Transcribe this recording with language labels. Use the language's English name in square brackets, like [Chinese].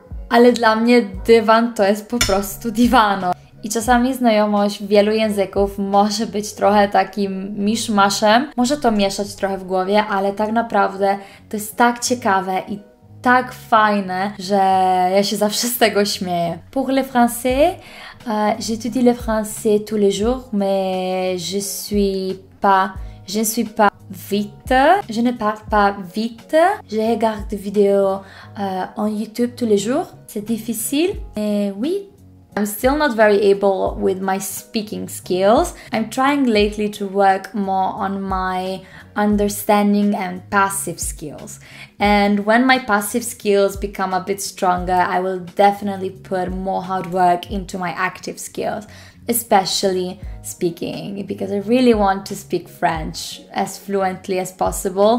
[Polish] Ale dla mnie dywan to jest po prostu divano. I czasami znajomość wielu języków może być trochę takim misz-maszem. Może to mieszać trochę w głowie, ale tak naprawdę to jest tak ciekawe i tak fajne, że ja się zawsze z tego śmieję. [French] Pour le français, j'étudie le français tous les jours, mais je ne suis pas vite. Je ne parle pas vite. Je regarde vidéo en YouTube tous les jours. C'est difficile, mais oui. [English] I'm still not very able with my speaking skills. I'm trying lately to work more on my understanding and passive skills. And when my passive skills become a bit stronger, I will definitely put more hard work into my active skills, especially speaking, because I really want to speak French as fluently as possible.